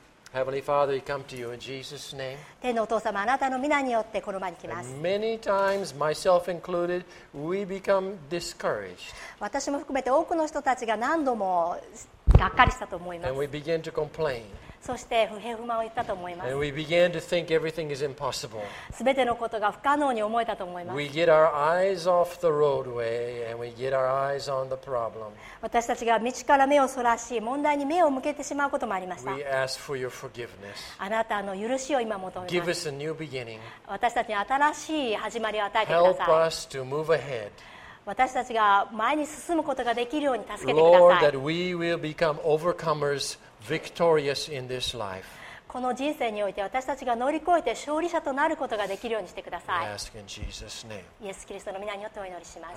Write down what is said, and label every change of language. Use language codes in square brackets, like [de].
[en] Heavenly Father, we come to you in Jesus' name. [ja] 天のお父様、あなたの御名によってこの場に来ます。 [en] Many times, myself included, we become discouraged. [ja] 私も含めて多くの人たちが何度もがっかりしたと思います。 [en] And we begin to complain. [ja] そして不平不満を言ったと思います。 [en] And we began to think everything is impossible. [ja] 全てのことが不可能に思えたと思います。 [en] We get our eyes off the roadway and we get our eyes on the problem. [ja] 私たちが道から目をそらし、問題に目を向けてしまうこともありました。 [en] We ask for your forgiveness. [ja] あなたの許しを今求めます。 [en] Give us a new beginning. [ja] 私たちに新しい始まりを与えてください。 [en] Help us to move ahead. [ja] 私たちが前に進むことができるように助けてください。 [en] Lord, that we will become overcomers, victorious in this life. [ja] この人生において私たちが乗り越えて勝利者となることができるようにしてください。 [en] I ask in Jesus' name. [ja] イエス・キリストの御名によってお祈りします。